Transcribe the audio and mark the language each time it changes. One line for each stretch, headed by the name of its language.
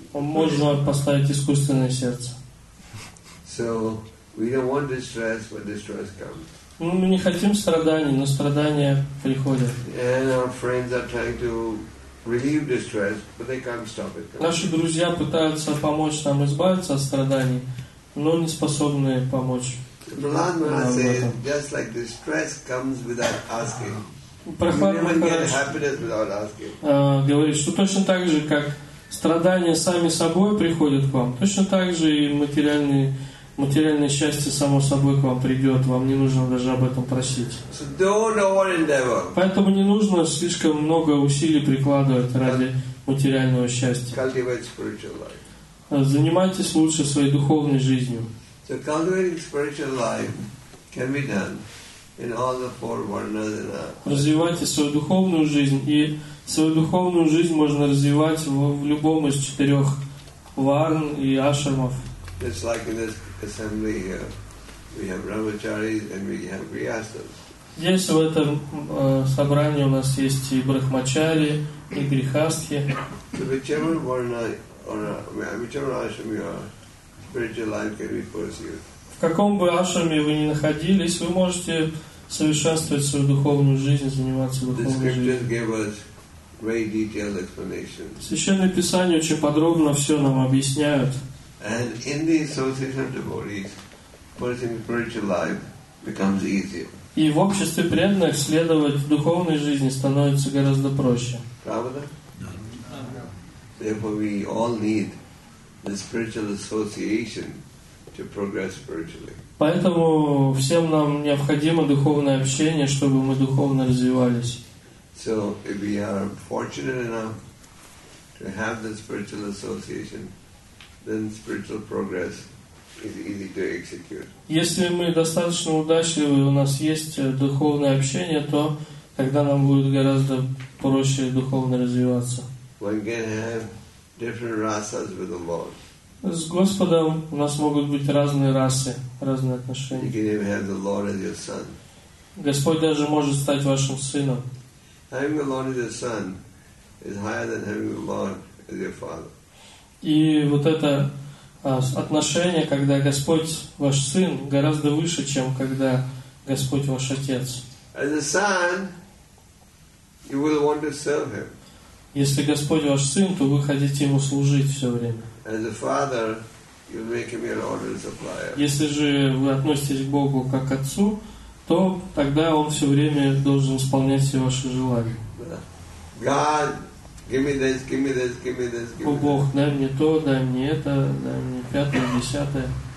Russian: Можно поставить искусственное сердце.
English: So we don't want distress, but distress comes.
Russian: Ну, мы не хотим страданий, но страдания приходят.
English: And our friends are trying to relieve distress, but they can't stop it.
Russian: Наши друзья пытаются помочь нам избавиться от страданий, но не способны помочь.
English: Prahlad Maharaj says, just like distress comes without asking. Prahlad Maharaj
Russian: говорит, что точно так же, как страдания сами собой приходят к вам. Точно так же и материальное счастье само собой к вам придет. Вам не нужно даже об этом просить.
English: So don't over-endeavor.
Russian: Поэтому не нужно слишком много усилий прикладывать ради материального счастья.
English: Cultivate spiritual life.
Russian: Занимайтесь лучше своей духовной жизнью.
English: So cultivating spiritual life can be done in all the four varnas in our...
Russian: Развивайте свою духовную жизнь и свою духовную жизнь можно развивать в любом из четырех варн и ашрамов.
English: Just like in this assembly here, we have brahmacharis and we have grihastas.
Russian: Здесь в этом собрании у нас есть и брахмачари, и грихастхи.
English: So whichever varna or whichever ashram you are, spiritual life can be pursued.
Russian: В каком бы ашраме вы ни находились, вы можете совершенствовать свою духовную жизнь, заниматься духовной жизнью.
English: Very detailed explanation.
Russian: Священное Писание очень подробно все нам объясняют.
English: And in the association of devotees, pursuing spiritual life becomes easier.
Russian: И в обществе преданных следовать духовной жизни становится гораздо проще. Правда?
English: Therefore, we all need the spiritual association to progress spiritually.
Russian: Поэтому всем нам необходимо духовное общение, чтобы мы духовно развивались.
English: So if we are fortunate enough to have the spiritual association, then spiritual progress is easy to execute.
Russian: Если мы достаточно удачливы, у нас есть духовное общение, то тогда нам будет гораздо проще духовно развиваться.
English: One can have different rasas with the Lord.
Russian: С Господом у нас могут быть разные расы, разные отношения.
English: You can even have the Lord as your son.
Russian: Господь даже может стать вашим сыном.
English: Having the Lord as your son is higher than having the Lord as your father.
Russian: И вот это отношение, когда Господь ваш сын, гораздо выше, чем когда Господь ваш отец.
English: As a son, you will want to serve him.
Russian: Если Господь ваш сын, то вы хотите ему служить все время.
English: As a father, you make him your order and supplier.
Russian: Если же вы относитесь к Богу как к отцу, то тогда он все время должен исполнять все ваши желания.
English: God, give me this, give me this, give me this, give me this.
Russian: О Бог, дай мне то, дай мне это, дай мне пятое, десятое.